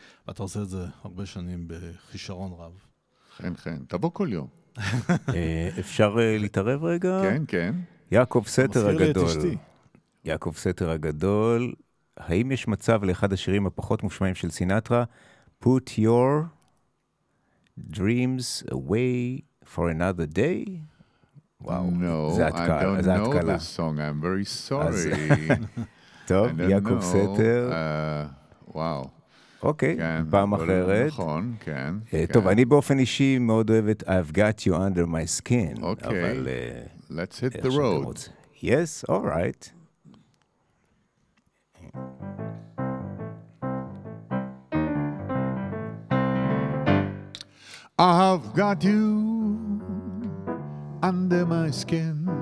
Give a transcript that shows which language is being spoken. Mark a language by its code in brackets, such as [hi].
[he] אתה עושה את זה הרבה שנים בכישרון רב. חן, חן. תבוא כל יום. אפשר להתערב רגע? כן, כן. יעקב סתר הגדול. יעקב סתר הגדול. האם יש מצב לאחד השירים הפחות מושמעים של סינטרה? [en] Put your dreams away for another day. Wow. No, I don't know the song. I'm very sorry. [he] טוב, יעקב סתר. וואו. אוקיי, פעם אחרת. נכון, כן. טוב, אני באופן אישי מאוד אוהב את I've got you under my skin. [en] אוקיי, let's hit the road. Yes, all right. I've got you under my skin,